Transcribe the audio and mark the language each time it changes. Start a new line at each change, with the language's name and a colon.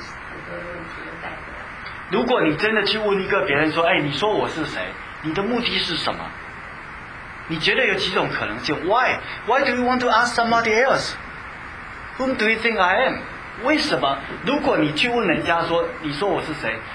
Chinese: 如果你真的知道的话，门徒就不会去别人问那很多问题的代表。如果你真的去问一个别人说，哎，你说我是谁？你的目的是什么？你觉得有几种可能性 ？Why?
English: Why do you want to ask somebody else? Whom do you think I am?
Chinese: 为什么？如果你去问人家说，你说我是谁？